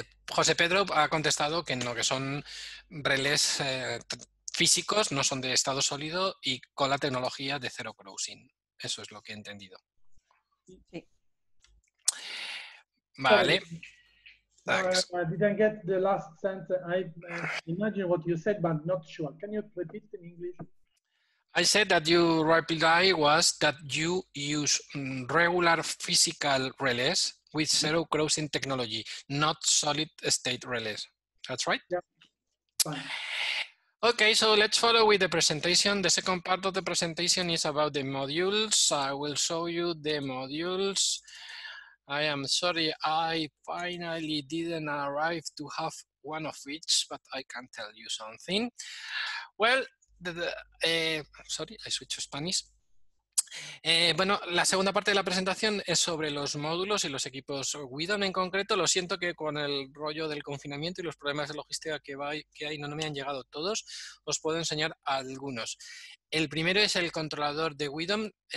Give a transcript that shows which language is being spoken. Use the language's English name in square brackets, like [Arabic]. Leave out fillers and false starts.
[Spanish] José Pedro ha contestado que no, que son relés físicos, no son de estado sólido y con la tecnología de zero crossing. Eso es lo que he entendido. Sí. Vale. [English] I didn't get the last sentence. I imagine what you said, but not sure. Can you repeat in English? I said that your reply was that you use regular physical relays with zero crossing technology, not solid state relays. That's right? Yeah. Okay, so let's follow with the presentation. The second part of the presentation is about the modules. I will show you the modules. I am sorry, I finally didn't arrive to have one of each, but I can tell you something. Well, I switched to Spanish. [Spanish] Bueno, la segunda parte de la presentación es sobre los módulos y los equipos Widom en concreto. Lo siento que con el rollo del confinamiento y los problemas de logística que hay no me han llegado todos. Os puedo enseñar algunos. El primero es el controlador de Widom.